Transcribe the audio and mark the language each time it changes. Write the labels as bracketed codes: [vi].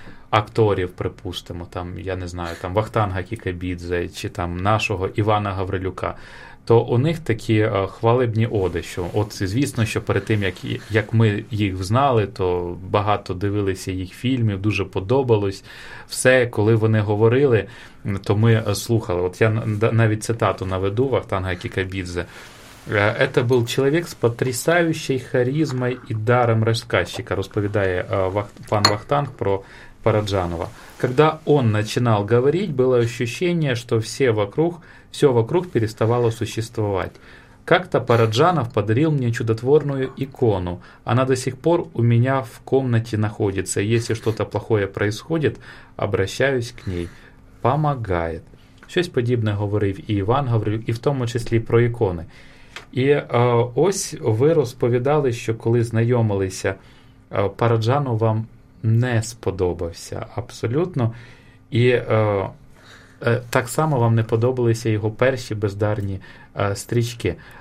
[uk] акторів, припустимо, там, я не знаю, там Вахтанга Кікабідзе чи там нашого Івана Гаврилюка, то у них такі хвалебні оди, що от звісно, що перед тим, як ми їх знали, то багато дивилися їх фільмів, дуже подобалось все, коли вони говорили, то ми слухали. От я навіть цитату наведу Вахтанга Кікабідзе. [ru] «Это был человек с потрясающей харизмой и даром рассказчика», [uk] розповідає пан Вахтанг про Параджанова. [ru] «Когда он начинал говорить, было ощущение, что все вокруг переставало существовать. Как-то Параджанов подарил мне чудотворную икону. Она до сих пор у меня в комнате находится. Если что-то плохое происходит, обращаюсь к ней. Помогает». [uk] Щось подібне говорив і Іван Гаврилюк, і в тому числі про ікони. І ось ви розповідали, що коли знайомилися, Параджанов вам не сподобався абсолютно. І так само вам не подобалися його перші бездарні стрічки.